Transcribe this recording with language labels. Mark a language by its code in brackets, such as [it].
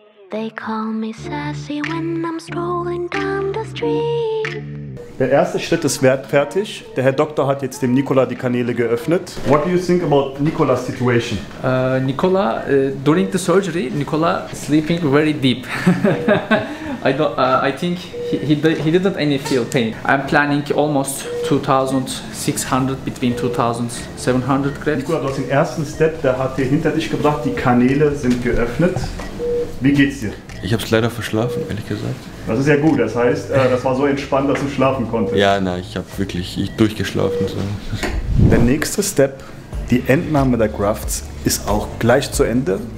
[en] They call me sassy when I'm strolling down the street. [de] Der erste Schritt ist fertig. Der Herr Doktor hat jetzt dem Nicola die Kanäle geöffnet. [en] What do you think about Nicola's situation? Nicola, during the surgery, Nicola sleeping very deep. I think he didn't any feel pain. I'm planning almost 2600 between 2700 grams. [de] Nico, du hast den ersten Step, der hat dir hinter dich gebracht, die Kanäle sind geöffnet. Wie geht's dir? Ich habe es leider verschlafen, ehrlich gesagt. Das ist ja gut, das heißt, das war so entspannt, dass du schlafen konntest. Ja, nein, ich habe wirklich durchgeschlafen. So. Der nächste Step, die Entnahme der Grafts, ist auch gleich zu Ende.